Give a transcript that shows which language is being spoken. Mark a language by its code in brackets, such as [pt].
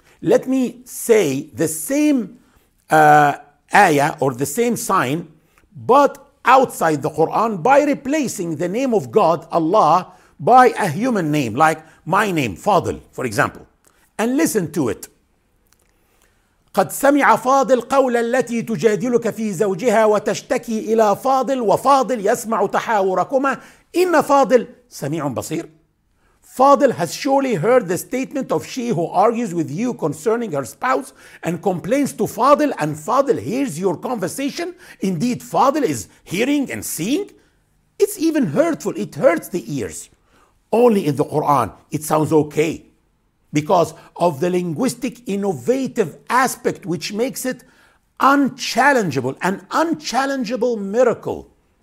[en] Let me say the same ayah or the same sign, but outside the Quran by replacing the name of God, Allah, by a human name, like my name, Fadl, for example. And listen to it. [ar] قد سمع فاضل قول التي تجادلك في زوجها وتشتكي إلى فاضل وفاضل يسمع تحاوركما إن فاضل سميع بصير. [en] فاضل has surely heard the statement of she who argues with you concerning her spouse and complains to فاضل, and فاضل hears your conversation. Indeed, فاضل is hearing and seeing. It's even hurtful. It hurts the ears. Only in the Quran it sounds okay, because of the linguistic innovative aspect which makes it unchallengeable, an unchallengeable miracle.